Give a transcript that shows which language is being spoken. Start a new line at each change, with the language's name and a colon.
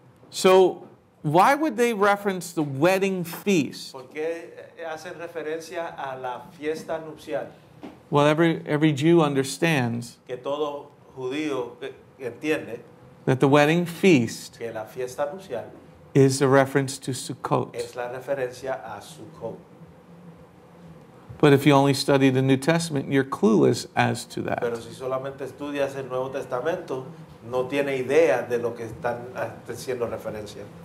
English: So, why would they reference the wedding feast?
Spanish: ¿Por qué hacen referencia a la fiesta nupcial?
English: Well, every Jew understands
Spanish: que todo judío entiende
English: that the wedding feast
Spanish: que la fiesta nupcial
English: is a reference to Sukkot.
Spanish: Es la referencia a Sukkot.
English: But if you only study the New Testament, you're clueless as to that.
Spanish: Pero si solamente estudias el Nuevo Testamento, no tiene idea de lo que están haciendo referencia.